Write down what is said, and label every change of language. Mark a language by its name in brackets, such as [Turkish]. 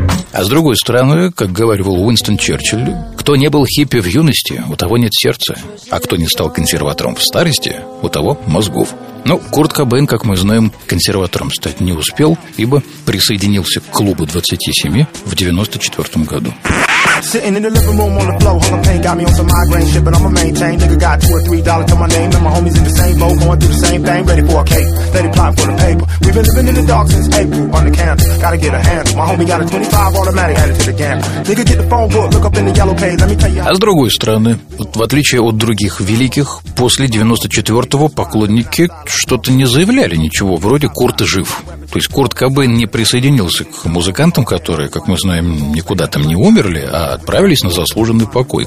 [Russian] А с другой стороны, как говорил Уинстон Черчилль: кто не был хиппи в юности, у того нет сердца, а кто не стал консерватором в старости, у того мозгов. Курт Кобейн, как мы знаем, консерватором стать не успел, ибо присоединился к клубу 27 в 94 году. [English] Sitting in the living room on the floor, hung a pain, got me on some migraine shit, but I'ma maintain. Nigga got $2 or $3 to my name, and my homies in the same boat, going through the same thing, ready for a cape, ready plotting for the paper. We've been living in the dark since April, on the counter, gotta get a handle. My homie got a 25 automatic, added to the gamble. Nigga, get the phone book, look up in the yellow page, let me tell you. [Russian] А с другой стороны, в отличие от других великих, после 94-го поклонники что-то не заявляли ничего, вроде «Курт жив». То есть Курт Кобейн не присоединился к музыкантам, которые, как мы знаем, никуда там не умерли, а отправились на заслуженный покой.